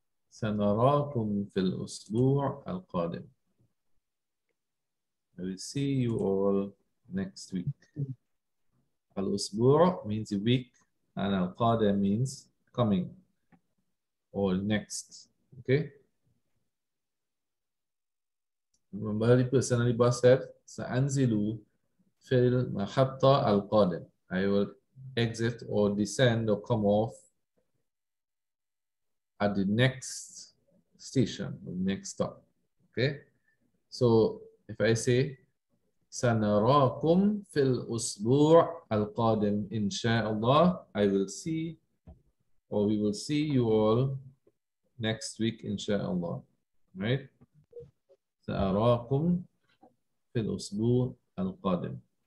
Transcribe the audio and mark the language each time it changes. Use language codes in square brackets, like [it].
[ar] سنراكم في الأسبوع القادم. [en] I will see you all next week. الأسبوع means week and القادم means coming or next. Okay. Remember the person in the bus said, [ar] سأنزلوا في المحطة القادم. [en] I will exit or descend or come off at the next station, the next stop. Okay. So if I say, [ar] سنراكم في الأسبوع القادم إن شاء الله, [en] I will see or we will see you all next week إن شاء الله. Right? [ar] سأراكم في الأسبوع القادم.